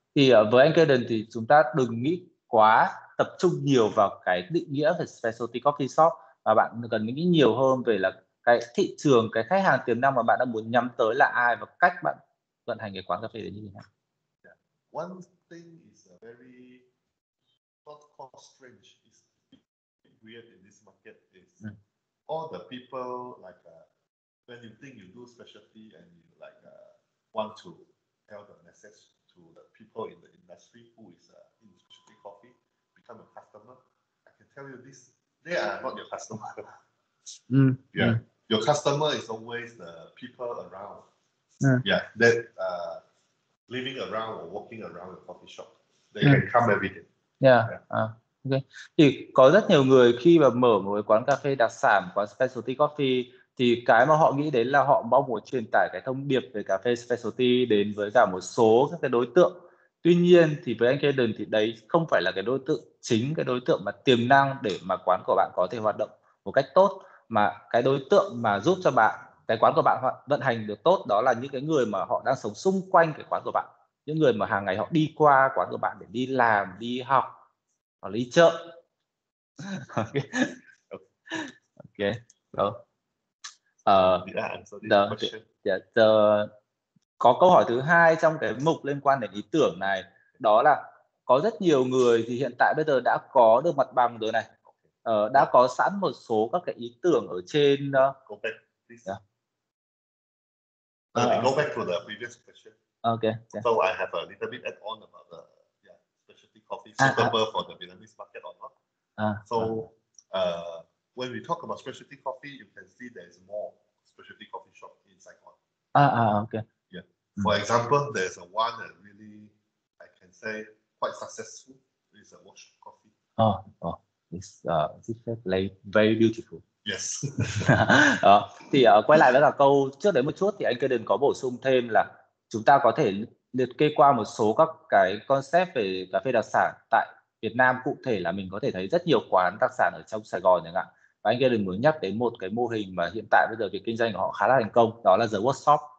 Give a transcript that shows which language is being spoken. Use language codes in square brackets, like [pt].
[vi] Thì với anh Kaden thì chúng ta đừng nghĩ quá tập trung nhiều vào cái định nghĩa về specialty coffee shop, mà bạn cần nghĩ nhiều hơn về là cái thị trường, cái khách hàng tiềm năng mà bạn đang muốn nhắm tới là ai và cách bạn vận hành cái quán cà phê đấy như thế nào. [en] One thing is a very not called strange, is weird in this market is all the people like when you think you do specialty and you like want to tell the message to the people in the industry who is in specialty coffee, become a customer. I can tell you this, they are not your customer. Your customer is always the people around. That living around or walking around the coffee shop. They can come every day. [vi] Thì có rất nhiều người khi mà mở một cái quán cà phê đặc sản, quán specialty coffee thì cái mà họ nghĩ đến là họ mong muốn truyền tải cái thông điệp về cà phê specialty đến với cả một số các cái đối tượng. Tuy nhiên thì với anh Kaden thì đấy không phải là cái đối tượng chính, cái đối tượng mà tiềm năng để mà quán của bạn có thể hoạt động một cách tốt, mà cái đối tượng mà giúp cho bạn cái quán của bạn vận hành được tốt đó là những cái người mà họ đang sống xung quanh cái quán của bạn, những người mà hàng ngày họ đi qua quán của bạn để đi làm, đi học hoặc đi chợ. [en] Answer this [vi] Có câu hỏi thứ hai trong cái mục liên quan đến ý tưởng này, đó là có rất nhiều người thì hiện tại bây giờ đã có được mặt bằng rồi này, đã có sẵn một số các cái ý tưởng ở trên [en] go back, please. Go back to the previous question. So I have a little bit add on about the specialty coffee suitable for the Vietnamese market or not. So, when we talk about specialty coffee, you can see there is more specialty coffee shop in Sài Gòn. For example, there's a one that really I can say quite successful is a Wash Coffee. It's very Yes. beautiful. [vi] Đó. Thì quay lại với cả câu trước đấy một chút thì anh Kaden có bổ sung thêm là chúng ta có thể liệt kê qua một số các cái concept về cà phê đặc sản tại Việt Nam, cụ thể là mình có thể thấy rất nhiều quán đặc sản ở trong Sài Gòn chẳng hạn. Và anh kia đừng muốn nhắc đến một cái mô hình mà hiện tại bây giờ việc kinh doanh của họ khá là thành công, đó là The Workshop.